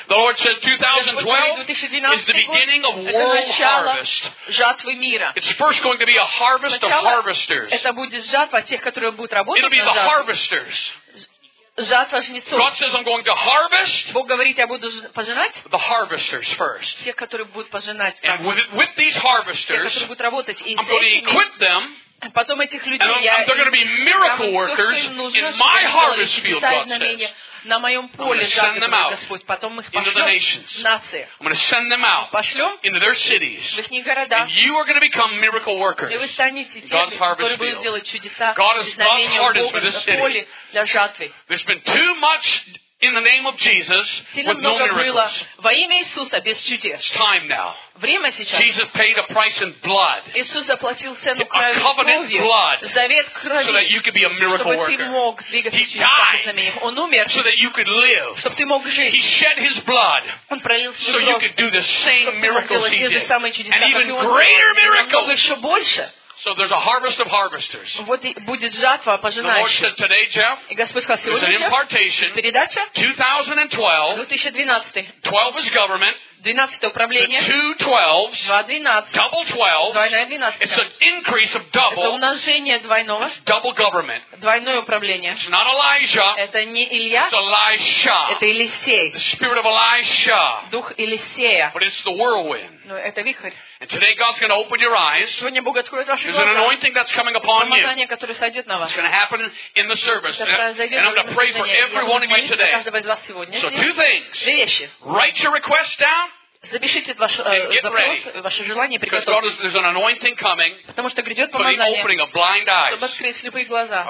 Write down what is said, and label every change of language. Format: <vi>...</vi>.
<en>The Lord said 2012 is the beginning of world harvest.</en> <ru>Жатвы мира.</ru> <en>It's first going to be a harvest</en> <ru>начало</ru> <en>of harvesters.</en> <ru>Это будет жатва тех, которые будут работать.</ru> <en>It'll be</en> <ru>на</ru> <en>the</en> <ru>жатву.</ru> <en>Harvesters.</en> <ru>Жатва жнецов.</ru> <en>God says I'm going to harvest.</en> <ru>Бог говорит, я буду пожинать.</ru> <en>The harvesters first.</en> <ru>Те, которые будут пожинать.</ru> <en>And with these harvesters,</en> <ru>те, которые будут работать,</ru> <en>I'm going to equip them.</en> <ru>Потом этих людей</ru> <en>and they're going to be miracle workers in my harvest field, God says.</en> <ru>на моем поле, Господь, потом мы их пошлем в нации. Пошлем в их города. И вы станете теми, которые будут делать чудеса и знамения в Бога на поле для жатвы.</ru> <en>There's been too much in the name of Jesus with no miracles.</en> <ru>Во имя Иисуса без чудес.</ru> <en>It's time now.</en> <ru>Время сейчас.</ru> <en>Jesus paid a price in blood.</en> <ru>Иисус заплатил цену кровью.</ru> <en>A covenant blood.</en> <ru>Завет крови.</ru> <en>So that you could be a miracle worker.</en> <ru>Чтобы ты мог двигаться чудесами. Он умер.</ru> <en>So that you could live.</en> <ru>Чтобы ты мог жить.</ru> <en>He shed his blood.</en> <ru>Он пролил свою кровь.</ru> <en>So you could do the same miracles he did. And even greater miracles.</en> <ru>Еще больше.</ru> <en>So there's a harvest of harvesters.</en> <ru>Вот будет жатва пожинающих.</ru> <en>The Lord said today, Jeff.</en> <ru>И Господь сказал сегодня.</ru> <en>There's an impartation.</en> <ru>Передача.</ru> <en>2012. 12 is government.</en> <ru>12 управление.</ru> <en>The 2 12s. 2 12. Double 12. 2 12. It's an increase of double.</en> <ru>Это умножение двойного.</ru> <en>It's double government.</en> <ru>Двойное управление.</ru> <en>It's not Elijah.</en> <ru>Это не Илья.</ru> <en>It's Elisha.</en> <ru>Это Елисей.</ru> <en>The spirit of Elisha.</en> <ru>Дух Елисея.</ru> <en>But it's the whirlwind.</en> <ru>Но это вихрь.</ru> <en>And today God's going to open your eyes.</en> <ru>Сегодня Бог откроет ваши глаза.</ru> <en>There's an anointing that's coming upon you.</en> <ru>Помазание, которое сойдет на вас.</ru> <en>It's going to happen in the service. And I'm going to pray for every one of you today. So two things.</en> <ru>Две вещи.</ru> <en>Write your request down.</en> <ru>Запишите ваш запрос, ваше желание, приготовьте. Потому что грядет помазание, чтобы открыть слепые глаза.</ru>